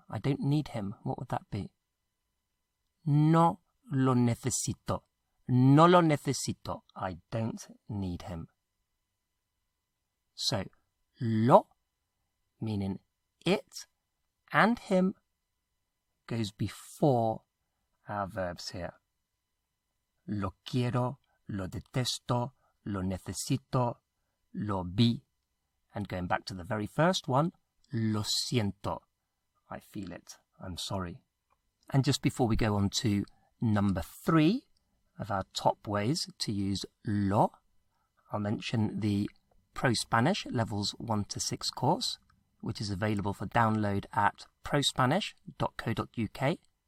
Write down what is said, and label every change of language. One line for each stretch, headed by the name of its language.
English: I don't need him. What would that be?
Spanish: No lo necesito. No lo necesito.
English: I don't need him. So, lo, meaning it and him, goes before our verbs here.
Spanish: Lo quiero, lo detesto, lo necesito, lo vi.
English: And going back to the very first one,
Spanish: lo siento.
English: I feel it. I'm sorry. And just before we go on to number three of our top ways to use lo, I'll mention the Pro Spanish Levels 1 to 6 course, which is available for download at prospanish.co.uk.